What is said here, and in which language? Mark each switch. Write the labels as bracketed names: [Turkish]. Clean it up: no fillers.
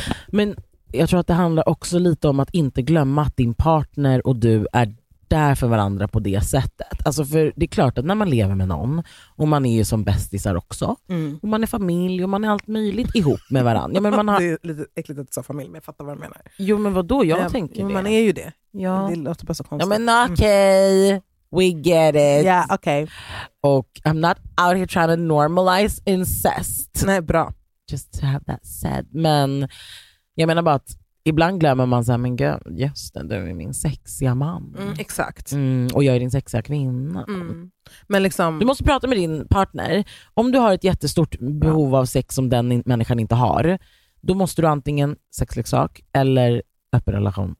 [Swedish] Men jag tror att det handlar också lite om att inte glömma att din partner och du är där för varandra på det sättet. Alltså för det är klart att när man lever med någon, och man är ju som bästisar också, och man är familj och man är allt möjligt ihop med varandra. Ja, men man har... Det är lite äckligt att säga familj, men jag fattar vad du menar. Jo, men vadå? Jag tänker man det. Man är ju det. Ja. Det låter bara så konstigt. Ja, men okej. [English] Okay. We get it. Yeah, okay. Och I'm not out here trying to normalize incest. [Swedish] Nej, bra. [English] Just to have that said. [Swedish] Men jag menar bara att ibland glömmer man så här, men gud, just det, du är min sexiga man. Exakt. Och jag är din sexiga kvinna. Men liksom... Du måste prata med din partner. Om du har ett jättestort behov av sex som den människan inte har, då måste du antingen sexleksak eller öppen relation.